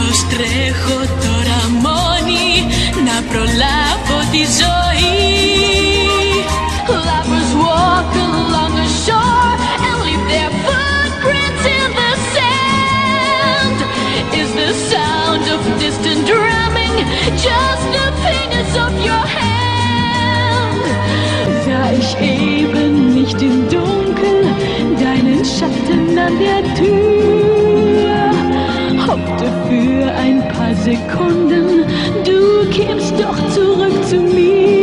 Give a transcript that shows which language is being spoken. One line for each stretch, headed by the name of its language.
Greek: Τρέχω τώρα μόνη να προλάβω τη ζωή.
English: Lovers walk along the shore and leave their footprints in the sand. Is the sound of distant drumming just the fingers of your hand?
German: Sah ich eben nicht im Dunkel deinen Schatten an der Tür. Hoffte für ein paar Sekunden, du kämst doch zurück zu mir.